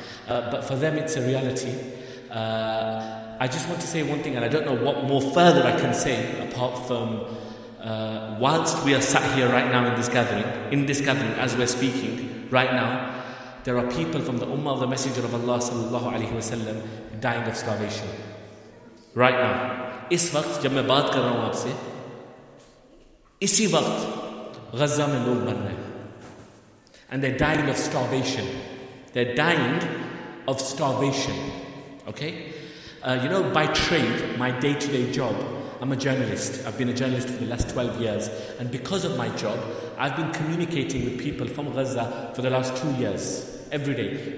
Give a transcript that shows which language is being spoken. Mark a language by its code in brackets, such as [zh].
[en] But for them, it's a reality. I just want to say one thing, and I don't know what more further I can say apart from whilst we are sat here right now in this gathering, as we're speaking right now, there are people from the Ummah of the Messenger of Allah sallallahu alaihi wasallam dying of starvation. Right now, [hi] इस वक्त जब मैं बात कर रहा हूँ आपसे, इसी वक्त गाज़ा में लोग मर रहे हैं, [en] and they're dying of starvation. They're dying of starvation. Okay, you know, by trade, my day-to-day job, I'm a journalist. I've been a journalist for the last 12 years, and because of my job, I've been communicating with people from Gaza for the last 2 years. Every day.